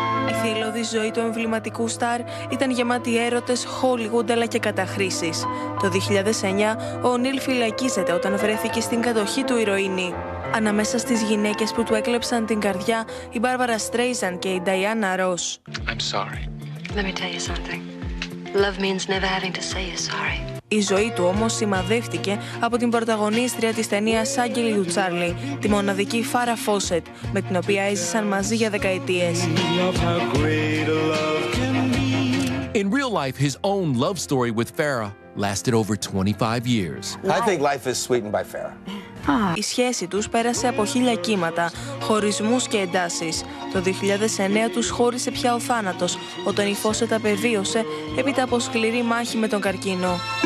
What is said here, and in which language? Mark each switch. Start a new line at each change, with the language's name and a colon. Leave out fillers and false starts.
Greek: Η θυελλώδη ζωή του εμβληματικού στάρ ήταν γεμάτη έρωτες, Hollywood αλλά και καταχρήσεις. Το 2009 ο Ονίλ φυλακίζεται όταν βρέθηκε στην κατοχή του ηρωίνη. Ανάμεσα στις γυναίκες που του έκλεψαν την καρδιά, η Μπάρβαρα Στρέιζαν και η Νταϊάννα Ρος.
English: I'm sorry. Let me tell you something. Love means never having to say you're sorry.
Greek: Η ζωή του όμως σημαδεύτηκε από την πρωταγωνίστρια της ταινίας Άγγελη του Τσάρλι, τη μοναδική Φάρα Φόσετ, με την οποία έζησαν μαζί για δεκαετίες.
English: In real life, his own love story with Farrah lasted over 25 years. I think life is sweetened by Farrah.
Greek: Η σχέση τους πέρασε από χίλια κύματα, χωρισμούς και εντάσεις. Το 2009 τους χώρισε πια ο θάνατος, όταν η Φόσετ απεβίωσε έπειτα από σκληρή μάχη με τον καρκίνο.